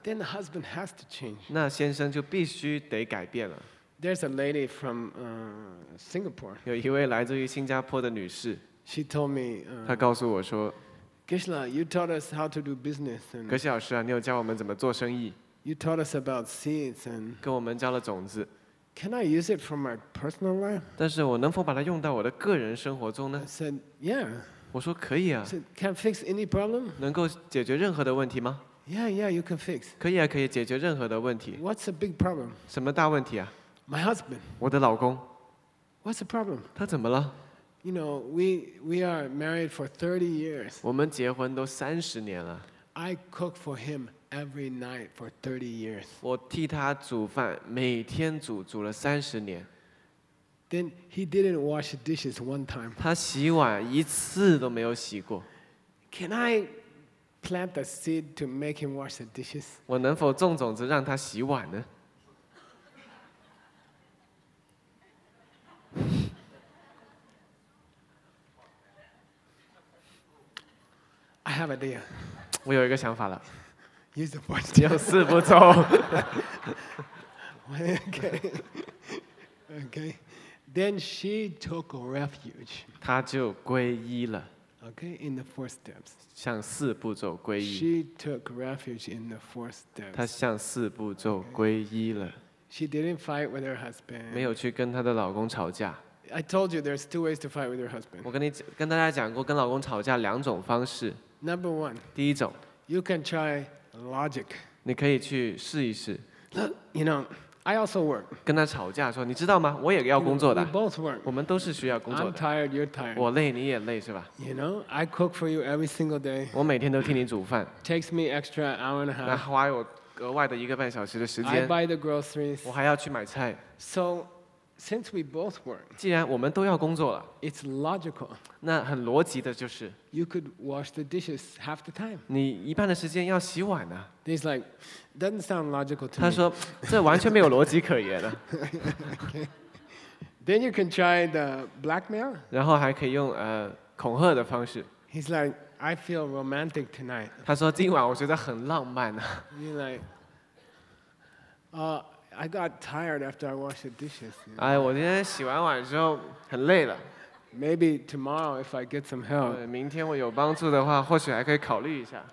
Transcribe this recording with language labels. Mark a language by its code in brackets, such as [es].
[en] Then the husband has to change. [zh] 那先生就必须得改变了。 [en] There's a lady from Singapore. [zh] 有一位来自于新加坡的女士。 [en] She told me. [zh] 她告诉我说。 [en] Geshe-la, you taught us how to do business. [zh] 格西老师啊，你有教我们怎么做生意。 [en] You taught us about seeds and. [zh] 跟我们教了种子。 [en] Can I use it for my personal life? [zh] 但是我能否把它用到我的个人生活中呢？ [en] I said, yeah. [zh] 我说可以啊。 [en] I said, can fix any problem? [zh] 能够解决任何的问题吗？ [en] Yeah, yeah, you can fix. [zh] 可以啊，可以解决任何的问题。 [en] What's a big problem? [zh] 什么大问题啊？ [en] My husband. [zh] 我的老公。 [en] What's the problem? [zh] 他怎么了？ [en] You know, we are married for 30 years. [zh] 我们结婚都三十年了。 [en] I cook for him every night for 30 years. [zh] 我替他煮饭，每天煮了三十年。 [en] Then he didn't wash dishes one time. [zh] 他洗碗一次都没有洗过。 [en] Can I plant the seed to make him wash the dishes? [zh] 我能否种种子让他洗碗呢？ [en] I have an idea. [zh] 我有一个想法了。 [en] Use the fourth step. [zh] 有四步骤。 [en] Okay. Then she took refuge. [zh] 她就皈依了。 [en] Okay, in the four steps. [zh] 向四步骤皈依。 [en] She took refuge in the four steps. [zh] 她向四步骤皈依了。 [en] Okay. She didn't fight with her husband. [zh] 没有去跟她的老公吵架。 [en] I told you there's two ways to fight with your husband. [zh] 我跟大家讲过跟老公吵架两种方式。 [en] Number one, [zh] 第一种, [en] you can try logic. [zh] 你可以去试一试。 [en] Look, you know, I also work. [zh] 跟他吵架说，你知道吗？我也要工作的。 [en] You know, we both work. [zh] 我们都是需要工作的。 [en] I'm tired, you're tired. [zh] 我累，你也累，是吧？ [en] You know, I cook for you every single day. [zh] 我每天都替你煮饭。 [en] Takes me extra hour and a half. [zh] 那花我额外的一个半小时的时间。 [en] I buy the groceries. [zh] 我还要去买菜。 [en] So, since we both work, [zh] 既然我们都要工作了， [en] it's logical. [zh] 那很逻辑的就是， [en] you could wash the dishes half the time. [zh] 你一半的时间要洗碗呢。 [en] He's like, doesn't sound logical to me. [zh] 他说，这完全没有逻辑可言的。 [en] Then you can try the blackmail. [zh] 然后还可以用恐吓的方式。 [en] He's like, I feel romantic tonight. [zh] 他说，今晚我觉得很浪漫呢。 [en] You're like, I got tired after I washed the dishes. [zh] 哎，我今天洗完碗之后很累了。 [en] Maybe tomorrow if I get some help. [zh] 明天我有帮助的话，或许还可以考虑一下。